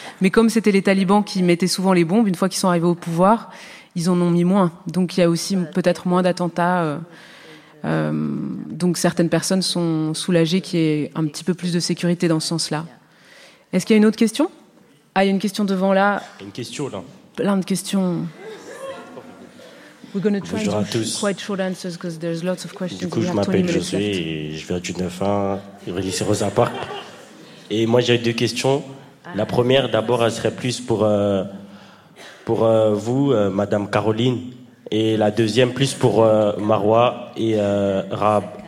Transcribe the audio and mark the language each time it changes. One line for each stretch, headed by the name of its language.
French: Mais comme c'était les talibans qui mettaient souvent les bombes, une fois qu'ils sont arrivés au pouvoir, ils en ont mis moins. Donc il y a aussi peut-être moins d'attentats. Donc certaines personnes sont soulagées qu'il y ait un petit peu plus de sécurité dans ce sens-là. Est-ce qu'il y a une autre question ? Ah, il y a une question devant là. Une question là. Plein de questions.
English: We're going to try and do quite short answers because there's lots of questions.
French: Du coup, je m'appelle Josué et je viens du 9-1, lycée Rosa Park. Et moi, j'ai deux questions. La première, d'abord, elle serait plus pour vous, Madame Caroline. et la deuxième plus pour Marwa et Rahab.